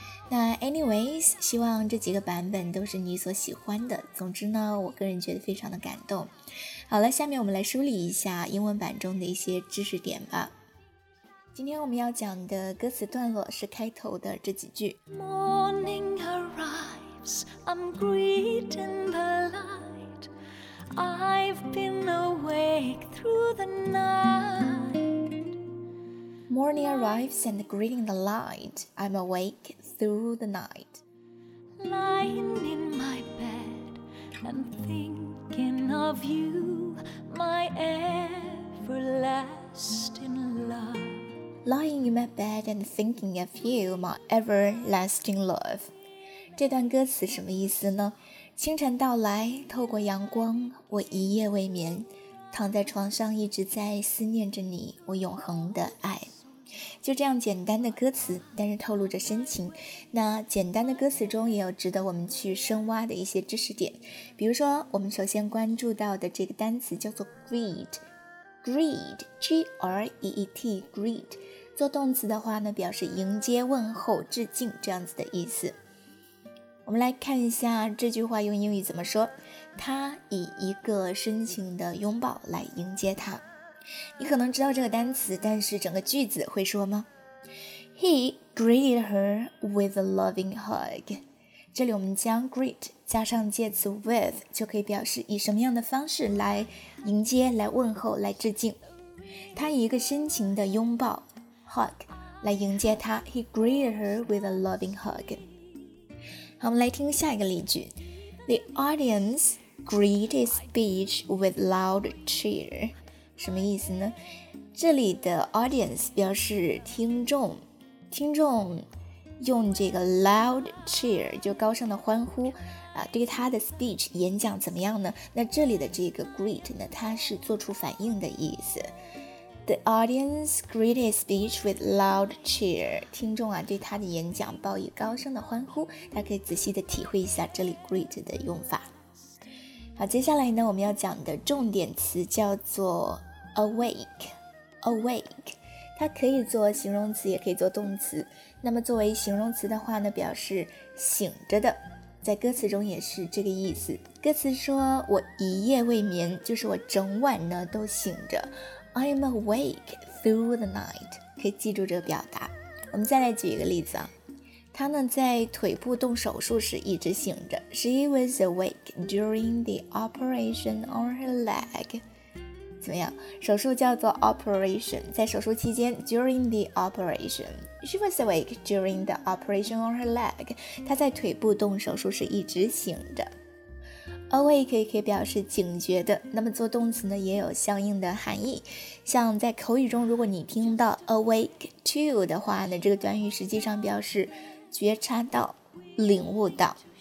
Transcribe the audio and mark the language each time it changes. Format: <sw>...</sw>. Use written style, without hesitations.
<zh>那 anyways， 希望这几个版本都是你所喜欢的。总之呢，我个人觉得非常的感动。好了，下面我们来梳理一下英文版中的一些知识点吧。今天我们要讲的歌词段落是开头的这几句。</zh> <en>Morning arrives, I'm greeting the light, I've been awake through the night. Morning arrives and greeting the light, I'm awake through the night. Lying in my bed and thinking of you, my everlasting love. Lying in my bed and thinking of you, my everlasting love.</en> <zh>这段歌词什么意思呢？清晨到来，透过阳光，我一夜未眠，躺在床上一直在思念着你，我永恒的爱。就这样简单的歌词，但是透露着深情。那简单的歌词中也有值得我们去深挖的一些知识点。比如说，我们首先关注到的这个单词叫做 greed。 Greet, G-R-E-E-T, greet, 做动词的话呢，表示迎接、问候、致敬这样子的意思。我们来看一下这句话用英语怎么说。他以一个深情的拥抱来迎接他。你可能知道这个单词，但是整个句子会说吗？</zh> <en>He greeted her with a loving hug.</en> <zh>这里我们将 greet加上介词 with， 就可以表示以什么样的方式来迎接、来问候、来致敬。他以一个深情的拥抱 hug 来迎接他。</zh> <en>He greeted her with a loving hug.</en> <zh>好，我们来听下一个例句。</zh> <en>The audience greeted his speech with loud cheer.</en> <zh>什么意思呢？这里的 audience 表示听众，听众用这个 loud cheer 就高声的欢呼。对他的 speech 演讲怎么样呢？那这里的这个 greet 呢，它是做出反应的意思。</zh> <en>The audience greeted his speech with loud cheer.</en> <zh>听众啊，对他的演讲报以高声的欢呼。大家可以仔细的体会一下这里 greet 的用法。好，接下来呢，我们要讲的重点词叫做 awake。 Awake 它可以做形容词，也可以做动词。那么作为形容词的话呢，表示醒着的，在歌词中也是这个意思。歌词说我一夜未眠，就是我整晚呢都醒着。</zh> <en>I'm awake through the night，</en> <zh>可以记住这个表达。我们再来举一个例子啊，他呢在腿部动手术时一直醒着。</zh> <en>She was awake during the operation on her leg。</en> <zh>怎么样，手术叫做 operation， 在手术期间</zh> <en>during the operationShe was awake during the operation on her leg.</en> <zh>她在腿部动手术时一直醒着。Awake 可以表示警觉的，那么做动词呢也有相应的含义。像在口语中，如果你听到 awake to 的话呢，这个短语实际上表示觉察到、领悟到。</zh>